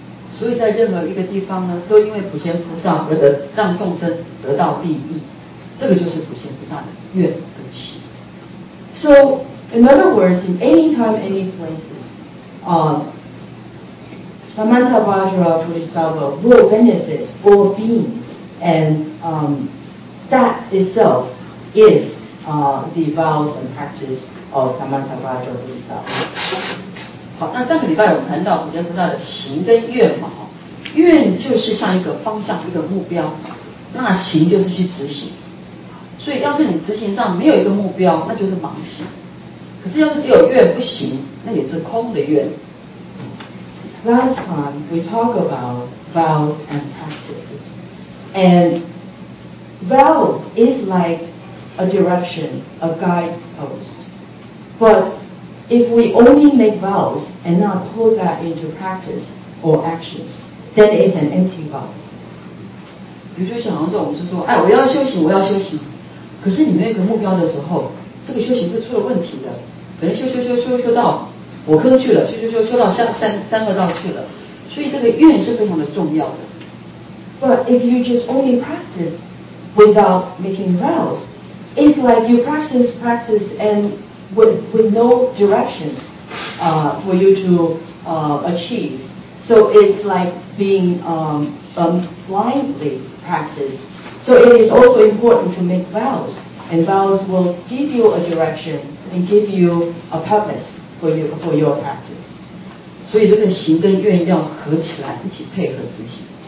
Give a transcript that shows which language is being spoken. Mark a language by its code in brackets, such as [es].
[zh] 所以在任何一个地方呢，都因为普贤菩萨而得让众生得到利益，这个就是普贤菩萨的愿跟行。 [en] So in other words, in any time, any places, Samantha Bhadra Bodhisattva will benefit all beings, and that itself is the vows and practices. [zh] 哦，三曼三八就不知道。好，那上个礼拜我们谈到普贤菩萨的行跟愿嘛，哈，愿就是像一个方向，一个目标，那行就是去执行。所以，要是你执行上没有一个目标，那就是盲行。可是，要是只有愿不行，那也是空的愿。 [en] Last time we talk about vows and practices, and vow is like a direction, a guidepost. But if we only make vows and not put that into practice or actions, then it's an empty vow. [zh] 比如说像这种，我们就说，哎，我要修行，我要修行。可是你没有一个目标的时候，这个修行会出了问题的。可能修到火坑去了，修到三个道去了。所以这个愿是非常的重要的。 [en] But if you just only practice without making vows, it's like you practice andWith no directions for you to achieve. So it's like being blindly practiced. So it is also important to make vows. And vows will give you a direction and give you a purpose for your practice. [zh] 所以这个行跟愿要合起来，一起配合执行。